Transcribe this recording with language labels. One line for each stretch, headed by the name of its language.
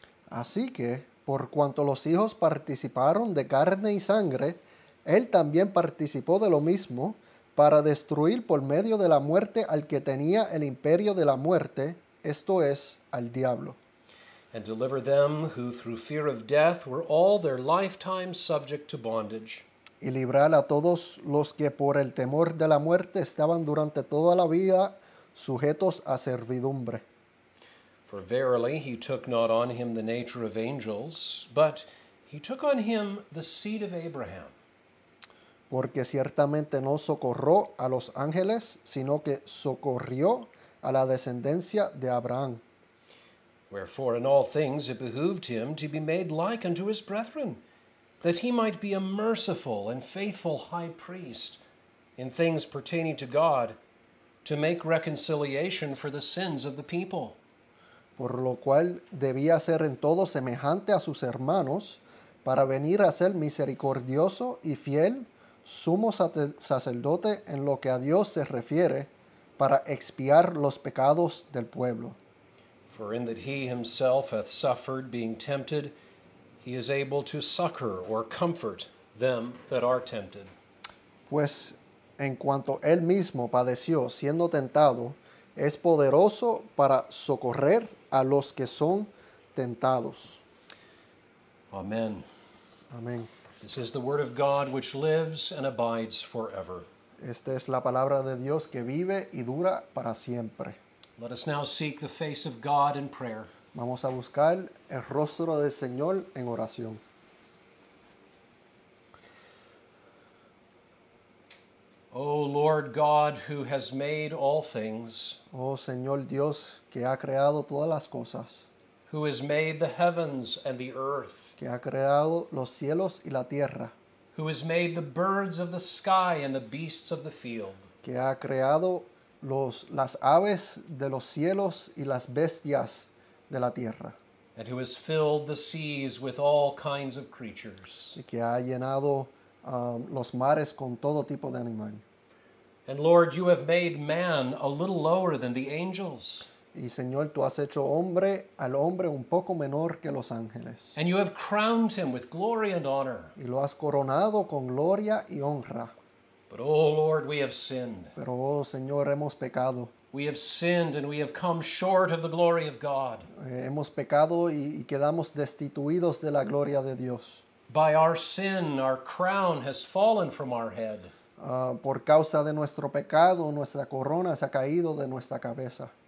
Spanish: Así que, por cuanto los hijos participaron de carne y sangre, él también participó de lo mismo, para destruir por medio de la muerte al que tenía el imperio de la muerte, esto es, al diablo.
English: And deliver them who through fear of death were all their lifetime subject to bondage.
Spanish: Y librar a todos los que por el temor de la muerte estaban durante toda la vida sujetos a servidumbre.
English: For verily he took not on him the nature of angels, but he took on him the seed of Abraham.
Spanish: Porque ciertamente no socorrió a los ángeles, sino que socorrió a la descendencia de Abraham.
English: Wherefore in all things it behooved him to be made like unto his brethren, that he might be a merciful and faithful high priest in things pertaining to God, to make reconciliation for the sins of the people.
Spanish: Por lo cual debía ser en todo semejante a sus hermanos, para venir a ser misericordioso y fiel sumo sacerdote en lo que a Dios se refiere, para expiar los pecados del pueblo.
English: For in that he himself hath suffered being tempted, he is able to succor or comfort them that are tempted.
Spanish: Pues en cuanto él mismo padeció siendo tentado, es poderoso para socorrer a los que son tentados.
English: Amen.
Spanish: Amen.
English: This is the word of God which lives and abides forever.
Spanish: Esta es la palabra de Dios que vive y dura para siempre.
English: Let us now seek the face of God in prayer.
Spanish: Vamos a buscar el rostro del Señor en oración.
English: O Lord God, who has made all things,
Spanish: oh Señor Dios que ha creado todas las cosas,
English: who has made the heavens and the earth,
Spanish: que ha creado los cielos y la tierra,
English: who has made the birds of the sky and the beasts of the field,
Spanish: que ha creado las aves de los cielos y las bestias de la tierra,
English: and who has filled the seas with all kinds of creatures,
Spanish: y que ha llenado los mares con todo tipo de animal.
English: And Lord, you have made man a little lower than the angels.
Spanish: Y Señor, tú has hecho hombre al hombre un poco menor que los ángeles.
English: And you have crowned him with glory and honor.
Spanish: Y lo has coronado con gloria y honra.
English: But oh Lord, we have sinned.
Spanish: Pero oh Señor, hemos pecado.
English: We have sinned and we have come short of the glory of God.
Spanish: Hemos pecado y quedamos destituidos de la gloria de Dios.
English: By our sin, our crown has fallen from our head.
Spanish: Por causa de nuestro pecado, nuestra corona se ha caído de nuestra cabeza.